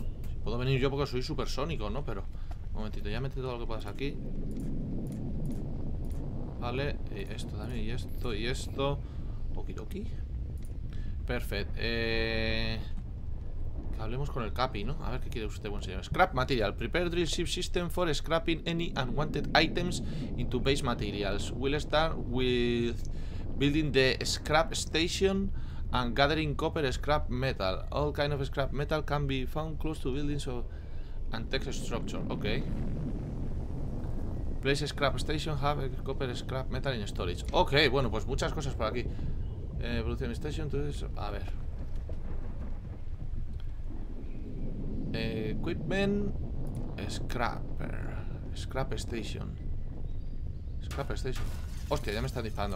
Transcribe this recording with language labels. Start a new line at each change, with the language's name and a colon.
Spanish: Si puedo venir yo porque soy supersónico, ¿no? Pero... Un momentito, ya mete todo lo que puedas aquí. Vale, esto también, y esto, y esto. Okidoki. Perfecto. Que hablemos con el Capi, ¿no? A ver qué quiere usted, buen señor.
English: Scrap material. Prepare drill ship system for scrapping any unwanted items into base materials. We'll start with building the scrap station and gathering copper scrap metal. All kind of scrap metal can be found close to buildings or and text structure. Ok. Place scrap station, have a copper scrap metal in storage.
Spanish: Ok, bueno, pues muchas cosas por aquí. Producción station, entonces, a ver.
English: Equipment scrapper. Scrap station. Scrap station.
Spanish: Hostia, ya me están disparando.